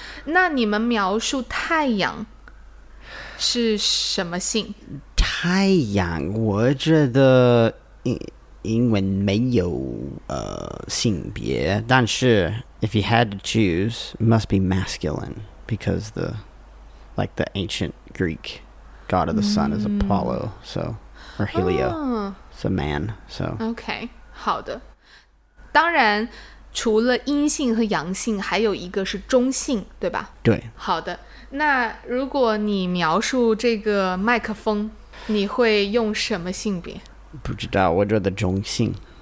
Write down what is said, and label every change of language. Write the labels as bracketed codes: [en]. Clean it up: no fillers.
[zh] 那你们描述太阳是什么性? 太阳,我觉得英文没有性别, [en] 但是 if you had to choose, must be masculine because the, like, the ancient Greek god of the sun is Apollo, so, or Helio. Oh. It's a man, so. [zh] Okay, 好的。当然，除了阴性和阳性，还有一个是中性，对吧？对。好的，那如果你描述这个麦克风，你会用什么性别？不知道，我觉得中性。